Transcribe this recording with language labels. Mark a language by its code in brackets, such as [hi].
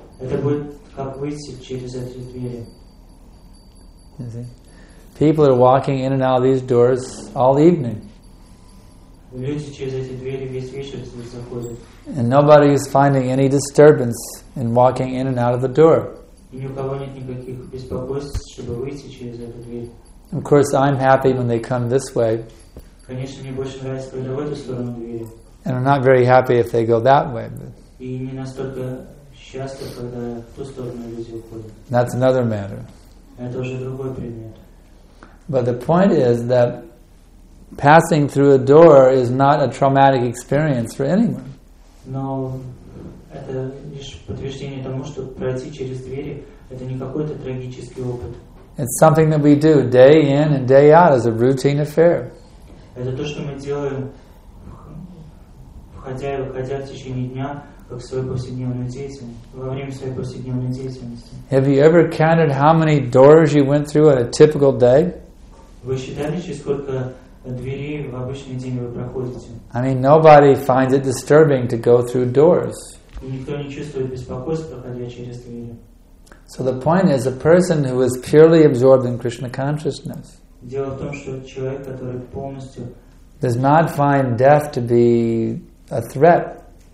[en] People are walking in and out of these doors all evening. And nobody is finding any disturbance in walking in and out of the door. [ru] И ни у кого нет никаких беспокойств, чтобы выйти через эту дверь. [en] Of course, I'm happy when they come this way. [ru] Конечно, мне больше нравится, когда в эту сторону двери. [en] And I'm not very happy if they go that way. But... [ru] И не настолько счастлив, когда в ту сторону люди уходят. [en] That's another matter. [ru] Это уже другой предмет. [en] But the point is that passing through a door is not a traumatic experience for anyone. [ru] Но это лишь подтверждение тому, что пройти через двери – это не какой-то трагический опыт. [en] It's something that we do day in and day out as a routine affair. [ru] Это то, что мы делаем входя и выходя в течение дня, как в свою повседневную деятельность, во время своей повседневной деятельности. [en] Have you ever counted how many doors you went through on a typical day? [ru] Вы считали, сколько двери в обычный день вы проходите? [en] I mean, nobody finds it disturbing to go through doors. [ru] И никто не чувствует беспокойства, проходя через двери. [en] So the point is, a person who is purely absorbed in Krishna consciousness does not find death to be a threat.